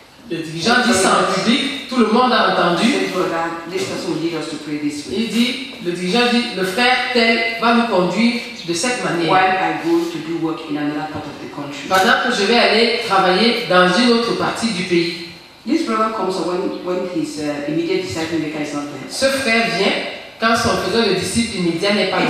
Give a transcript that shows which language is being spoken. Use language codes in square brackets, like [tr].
[fr] Le dirigeant dit ça en public, tout le monde a entendu. Le frère tel va nous conduire de cette manière. [en] While I go to do work in another part of the country. [fr] Pendant que je vais aller travailler dans une autre partie du pays. [en] This brother comes when his immediate disciple maker is not there. [fr] Ce frère vient quand son faisant de disciple immédiat n'est pas là.